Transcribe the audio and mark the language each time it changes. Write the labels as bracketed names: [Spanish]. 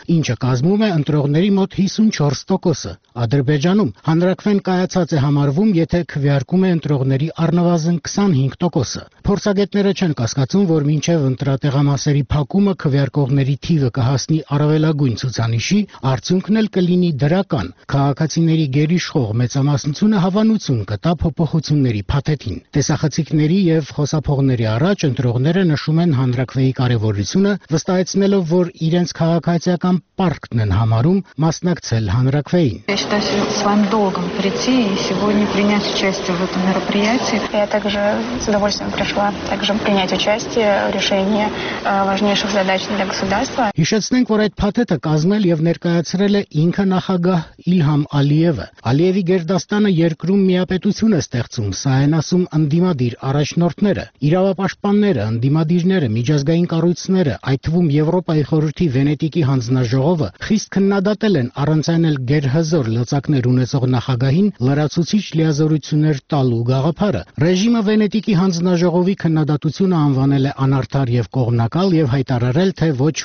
[Armenian] ինչը կազմում է ընտրողների մոտ 54%-ը։ Ադրբեջանում հանրաքվեն կայացած է համարվում, եթե քվեարկում է ընտրողների առնվազն 25%-ը։ Փորձագետները չեն կասկածում, որ մինչև ընտրատեղամասերի փակումը քվեարկողների թիվը կհասնի առավելագույն ցուցանիշի, արդյունքն էլ կլինի դրական։ Քաղաքացիների գերիշխող մեծամասնությունը հավանություն կտա փոփոխությունների փաթեթին։ Տեսախցիկների եւ խոսափողների առաջ ընտրողները նշում են հանրակրթվեի կարևորությունը, վստահեցնելով, որ իրենց քաղաքացիական պարտքն են համարում մասնակցել հանրակրթվեին։ [Russian] Я считаю своим долгом прийти и сегодня принять участие в этом мероприятии. Я также с удовольствием пришла также принять участие в решении важнейших задач для государства. [Armenian] Հիշեցնենք, որ այդ փաթեթը կազմել եւ ներկայացրել է ինքը նախագահ Իլհամ Ալիևը։ Ալիևի Գերդաստանը երկրում միապետություն է ստեղծում, սայն ասում ընդդիմադիր առաջնորդները, իրավապաշտպանները, ընդդիմադիրները, միջազգային կառույցները, այդ թվում Եվրոպայի խորհրդի Վենետիկի հանձնաժողովը, խիստ քննադատել են առանցանել գերհզոր լծակներ ունեցող նախագահին լրացուցիչ լիազորություններ տալու գաղափարը։ Ռեժիմը Վենետիկի հանձնաժողովի քննադատությունը անվանել է անարդար եւ կողմնակալ եւ հայտարարել, թե ոչ